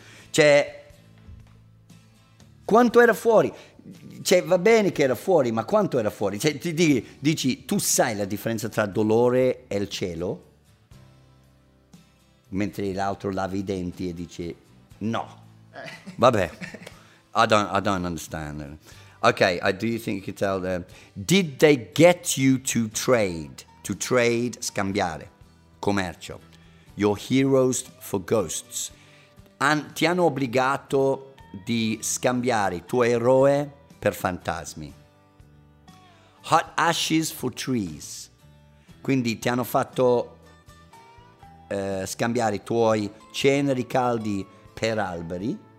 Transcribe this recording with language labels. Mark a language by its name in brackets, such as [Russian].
[Italian] Cioè, quanto era fuori? Cioè, va bene che era fuori, ma quanto era fuori? Cioè, ti dici, tu sai la differenza tra dolore e il cielo? Mentre l'altro lava i denti e dice, no. [English] Vabbè, I don't understand. Okay, do you think you could tell them? Did they get you to trade? To trade, scambiare. commercio. Your Heroes for Ghosts. [Italian] Ti hanno obbligato di scambiare i tuoi eroi per fantasmi. [English] Hot Ashes for Trees. [Italian] Quindi ti hanno fatto scambiare i tuoi ceneri caldi per alberi.